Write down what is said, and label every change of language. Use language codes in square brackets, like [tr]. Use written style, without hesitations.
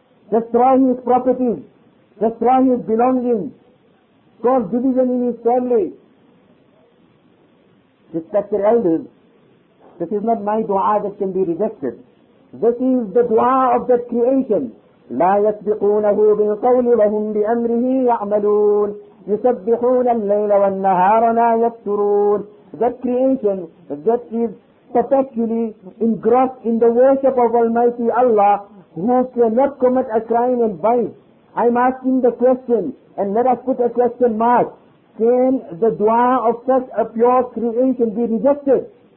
[en] Destroy his properties. Destroy his belongings. Cause division in his family. Respected elders, this is not my dua that can be rejected. This is the dua of the creation. [ar] لا يسبقونه بالقول وهم بأمره يعملون يسبحون الليل والنهار لا يفترون. [en] That creation that is perpetually engrossed in the worship of Almighty Allah, who cannot commit a crime and vice. I'm asking the question, and let us put a question mark. Can the dua of such a pure creation be rejected?